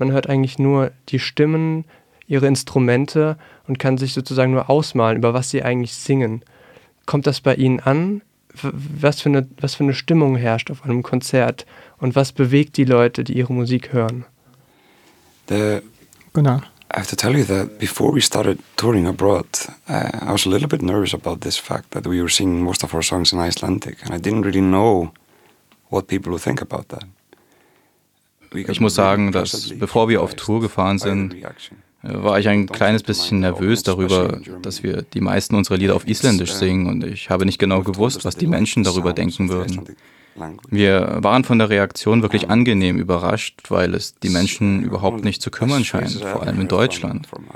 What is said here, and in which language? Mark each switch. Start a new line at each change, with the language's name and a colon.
German: Man hört eigentlich nur die Stimmen, ihre Instrumente und kann sich sozusagen nur ausmalen, über was sie eigentlich singen. Kommt das bei Ihnen an? Was für eine Stimmung herrscht auf einem Konzert und was bewegt die Leute, die ihre Musik hören? Gunnar.
English: I have to tell you that before we started touring abroad, I was a little bit nervous about this fact that we were singing most of our songs in Icelandic and I didn't really know what people would think about that.
German: Ich muss sagen, dass bevor wir auf Tour gefahren sind, war ich ein kleines bisschen nervös darüber, dass wir die meisten unserer Lieder auf Isländisch singen und ich habe nicht genau gewusst, was die Menschen darüber denken würden. Wir waren von der Reaktion wirklich angenehm überrascht, weil es die Menschen überhaupt nicht zu kümmern scheint, vor allem in Deutschland.